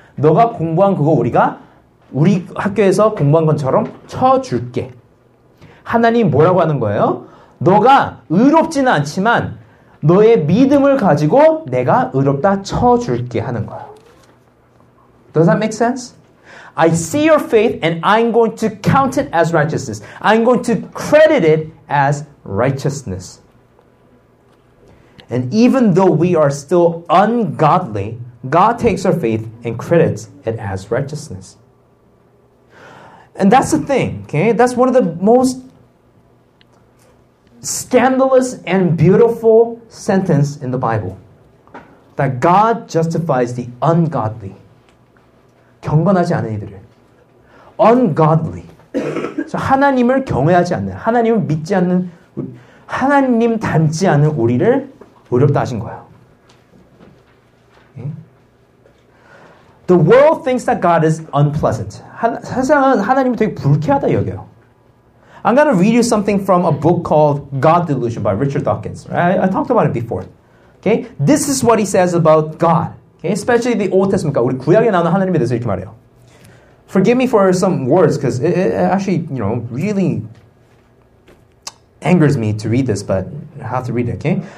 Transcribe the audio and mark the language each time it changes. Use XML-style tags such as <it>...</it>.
<ko>너가 공부한 그거 우리 학교에서 공부한 것처럼 쳐줄게. 하나님 뭐라고 하는 거예요? 너가 의롭지는 않지만 너의 믿음을 가지고 내가 의롭다 쳐줄게 하는 거야.</ko> <en>Does that make sense? I see your faith and I'm going to count it as righteousness. I'm going to credit it as righteousness. And even though we are still ungodly, God takes our faith and credits it as righteousness. And that's the thing, okay? That's one of the most scandalous and beautiful sentences in the Bible. That God justifies the ungodly.</en> <ko>경건하지 않은 이들을 ungodly 하나님을 경외하지 않는 하나님을 믿지 않는 하나님 닮지 않은 우리를 의롭다 하신 거예요.</ko> <en>The world thinks that God is unpleasant.</en> <ko>세상은 하나님을 되게 불쾌하다 여겨요.</ko> <en>I'm going to read you something from a book called God Delusion by Richard Dawkins. I talked about it before. Okay? This is what he says about God. Especially the Old Testament,</en> <ko>그러니까 우리 구약에 나오는 하나님에 대해서 이렇게 말해요.</ko> <en>Forgive me for some words, because it actually, you know, really angers me to read this, but I have to read it, okay?</en>